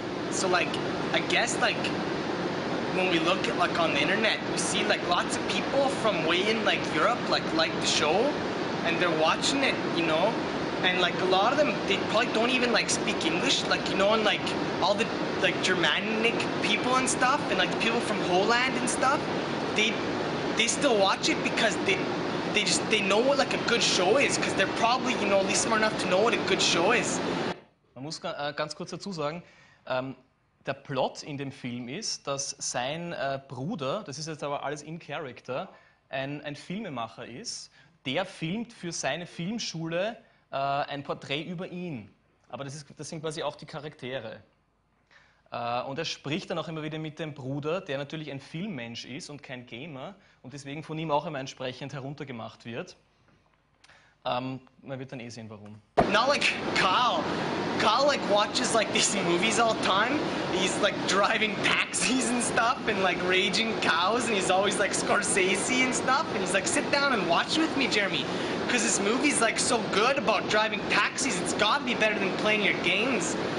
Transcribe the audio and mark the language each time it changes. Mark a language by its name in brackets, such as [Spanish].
[English] So like, I guess like, when we look at like on the internet, we see like lots of people from way in like Europe like the show, and they're watching it, you know, and like a lot of them, they probably don't even like speak English, like, you know, and like all the like Germanic people and stuff, and like people from Holland and stuff, they still watch it because they know what like a good show is, because they're probably, you know, at least smart enough to know what a good show is. [German] Man muss ganz kurz dazu sagen, der Plot in dem Film ist, dass sein Bruder, das ist jetzt aber alles in Character, ein Filmemacher ist, der filmt für seine Filmschule ein Porträt über ihn. Aber das sind quasi auch die Charaktere. Und er spricht dann auch immer wieder mit dem Bruder, der natürlich ein Filmmensch ist und kein Gamer und deswegen von ihm auch immer entsprechend heruntergemacht wird. Man wird dann eh sehen, warum. [English] Not like Kyle. Kyle like watches like these movies all the time. He's like driving taxis and stuff and like raging cows and he's always like Scorsese and stuff. And he's like, sit down and watch with me, Jeremy. Because this movie's like so good about driving taxis, it's gotta be better than playing your games.